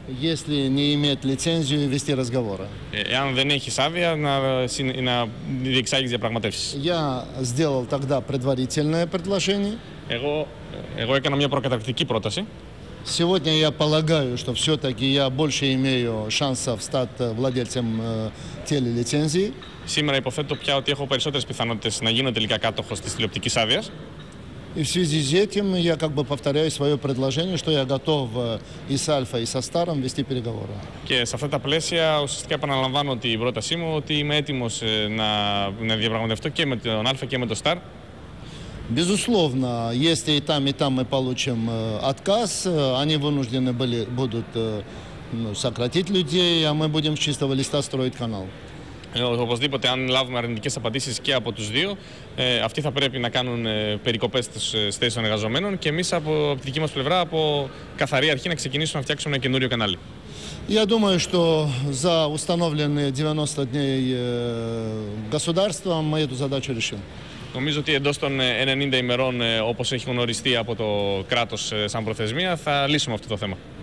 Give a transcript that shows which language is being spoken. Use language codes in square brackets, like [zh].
[ru] Если не имеет лицензию вести разговоры. [el] Εάν δεν έχεις άδεια να διεξάγεις διαπραγματεύσεις. [ru] Я сделал тогда предварительное предложение. [el] Εγώ έκανα μια προκαταρκτική πρόταση. [ru] Сегодня я полагаю, что все-таки я больше имею шансов стать владельцем телелицензии. [el] Σήμερα υποθέτω πια ότι έχω περισσότερες πιθανότητες να γίνω τελικά κάτοχος της τηλεοπτικής άδειας. [ru] И в связи с этим я как бы повторяю свое предложение, что я готов и с Альфа, и со Старом вести переговоры. [el] Και σε αυτά τα πλαίσια ουσιαστικά επαναλαμβάνω ότι η πρότασή μου, ότι είμαι έτοιμος να διαπραγματευτώ και με τον Альфа και με τον Стар. [ru] Безусловно, если и там мы получим отказ, они вынуждены будут сократить людей, а мы будем с чистого листа строить канал. [el] Οπωσδήποτε, αν λάβουμε αρνητικές απαντήσεις και από τους δύο, αυτοί θα πρέπει να κάνουν περικοπές στις θέσεις των εργαζομένων και εμείς από τη δική μας πλευρά, από καθαρή αρχή, να ξεκινήσουμε να φτιάξουμε ένα καινούριο κανάλι. [ru] Я думаю, что за установленные 90 дней государства мы эту задачу решим. [el] Νομίζω ότι εντός των 90 ημερών, όπως έχει γνωριστεί από το κράτος σαν προθεσμία, θα λύσουμε αυτό το θέμα.